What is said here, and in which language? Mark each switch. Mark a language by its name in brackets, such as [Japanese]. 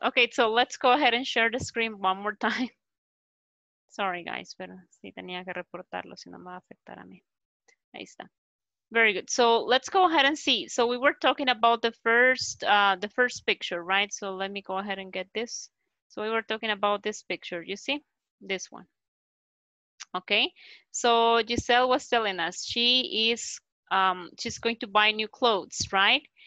[English] Okay, so let's go ahead and share the screen one more time. Sorry, guys, [Spanish] pero sí tenía que reportarlo, si no me va a afectar a mí. Ahí está. [English] Very good. So let's go ahead and see. So we were talking about the first picture, right? So let me go ahead and get this. So we were talking about this picture, you see? This one. Okay, so Giselle was telling us she is she's going to buy new clothes, right?